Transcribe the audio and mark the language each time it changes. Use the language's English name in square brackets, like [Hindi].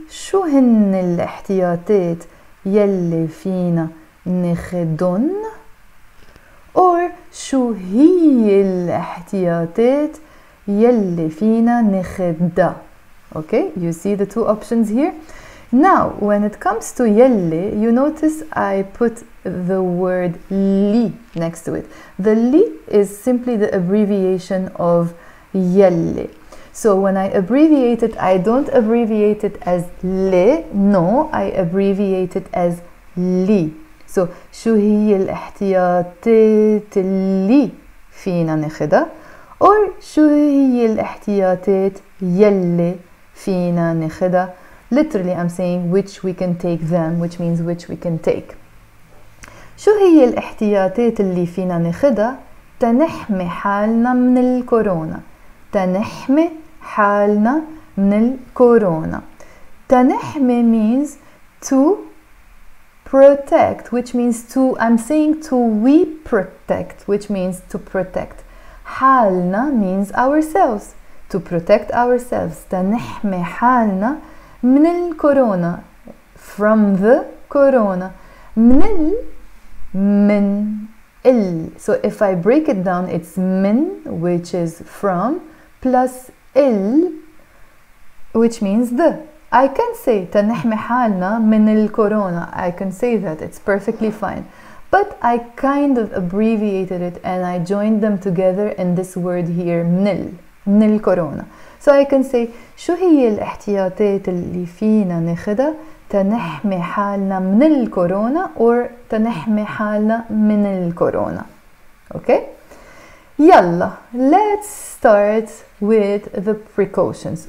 [Arabic] شو هن الاحتياطات يلي فينا نخدون, [English] or [Arabic] شو هي الاحتياطات يلي فينا نخدا. [English] Okay, you see the two options here. Now when it comes to يلي, you notice I put the word لي next to it. The لي is simply the abbreviation of يلي. So when I abbreviate it, I don't abbreviate it as لي, no, I abbreviate it as لي. [Arabic] So شو هي الاحتياطات اللي فينا نخدها, [English] or [Arabic] شو هي الاحتياطات يلي فينا نخدها. Literally, I'm saying which we can take them, which means which we can take. شو هي الاحتياطات اللي فينا نخدها تنحمي حالنا من الكورونا. تنحمي حالنا من الكورونا. [English] تنحمي means to protect, which means to, I'm saying to we protect, which means to protect. حالنا means ourselves, to protect ourselves. [Arabic] تنحمي حالنا من الكورونا, [English] from the corona. [Arabic] من ال, من ال. [English] So if I break it down, it's من, which is from, plus ال, which means the. I can say [Arabic] تنحمي حالنا من الكورونا. [English] I can say that, it's perfectly fine. But I kind of abbreviated it and I joined them together in this word here, نل, نل corona. So I can say [Arabic] شو هي الاحتياطات اللي فينا نخدها تنحمي حالنا من الكورونا, [English] or [Arabic] تنحمي حالنا من الكورونا. [English] Okay, يلا, let's start with the precautions.